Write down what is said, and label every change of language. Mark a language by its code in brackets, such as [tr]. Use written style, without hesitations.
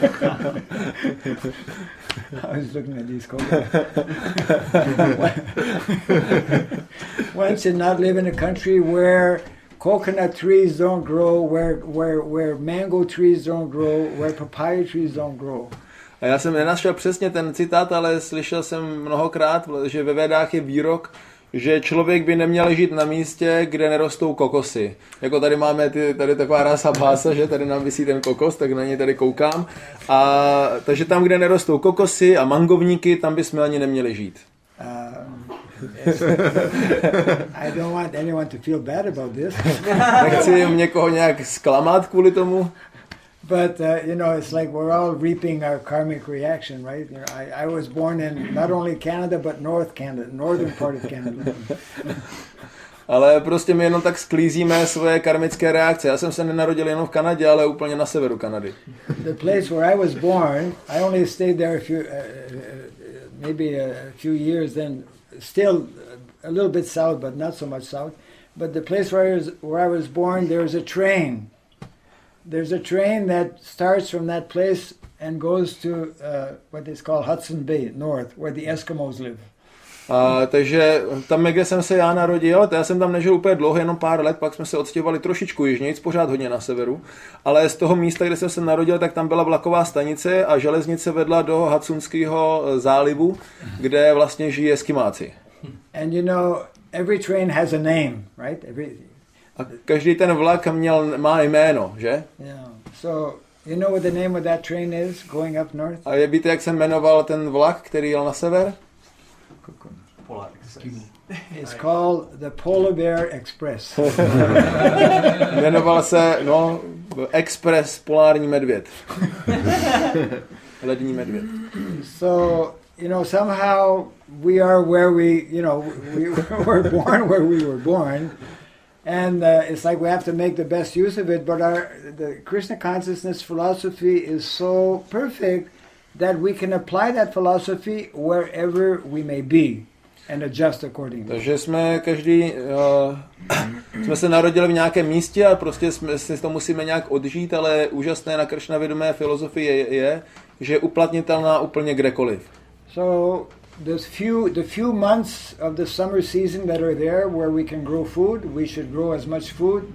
[en] I was looking at these coconuts. One should not live in a country where coconut trees don't grow, where mango trees don't grow, where papaya trees don't grow. [cs] A já jsem nenašel přesně ten citát, ale slyšel jsem mnohokrát, že ve Vedách je výrok, že člověk by neměl žít na místě, kde nerostou kokosy. Jako tady máme tady taková rasa bása, že tady nám visí ten kokos, tak na něj tady koukám. A takže tam, kde nerostou kokosy a mangovníky, tam bychom ani neměli žít. [en] I don't want anyone to feel bad about this. [cs] Nechci někoho nějak zklamat kvůli tomu. [en] But you know, it's like we're all reaping our karmic reaction, right? You know, I was born in not only Canada, but North Canada, northern part of Canada. [cs] Ale prostě my jenom tak sklízíme svoje karmické reakce. Já jsem se nenarodil jenom v Kanadě, ale úplně na severu Kanady. [en] The place where I was born, I only stayed there a few years, then still a little bit south, but not so much south. But the place where I was born, there's a train. There's a train that starts from that place and goes to what is called Hudson Bay North, where the Eskimos live. [cs] Takže tam, kde jsem se já narodil, já jsem tam nežil úplně dlouho, jenom pár let, pak jsme se odstěhovali trošičku jižněji, pořád hodně na severu, ale z toho místa, kde jsem se narodil, tak tam byla vlaková stanice a železnice vedla do Hudsonského zálivu, kde vlastně žijí Eskimáci. [en] And you know, every train has a name, right? [cs] A každý ten vlak má jméno, že? [en] Yeah. So, you know what the name of that train is going up north? [cs] A víte, jak se jmenoval ten vlak, který jel na sever? [en] Polar Express. It's called the Polar Bear Express. [cs] Jmenoval se, no, Express Polární medvěd. Lední medvěd. [en] So, you know, somehow we are where we, you know, we were born where we were born. And it's like we have to make the best use of it, but the Krishna consciousness philosophy is so perfect that we can apply that philosophy wherever we may be and adjust accordingly. [cs] Takže jsme každý jsme se narodili v nějakém místě a prostě si to musíme nějak odžít, ale úžasné na Krishna vědomé filozofii je, že je uplatnitelná úplně kdekoliv. [en] So The few months of the summer season that are there where we can grow food, we should grow as much food.